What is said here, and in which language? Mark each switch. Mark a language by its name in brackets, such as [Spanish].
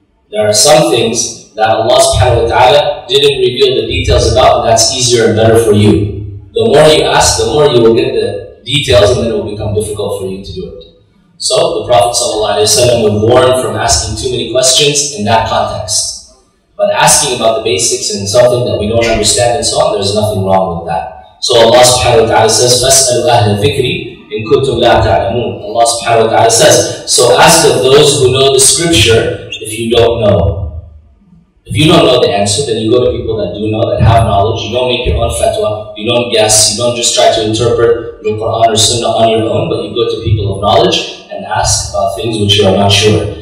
[English] There are some things that Allah subhanahu wa ta'ala didn't reveal the details about, and that's easier and better for you. The more you ask, the more you will get the details, and then it will become difficult for you to do it. So the Prophet ﷺ would warn from asking too many questions in that context. But asking about the basics and something that we don't understand and so on, there's nothing wrong with that. So Allah subhanahu wa ta'ala says, [Arabic] فَاسْأَلُوا أَهْلَ الذِّكْرِ إِن كُنْتُمْ لَا تَعْلَمُونَ. [English] Allah subhanahu wa ta'ala says, so ask of those who know the scripture if you don't know. If you don't know the answer, then you go to people that do know, that have knowledge. You don't make your own fatwa, you don't guess, you don't just try to interpret the Quran or Sunnah on your own, but you go to people of knowledge and ask about things which you are not sure.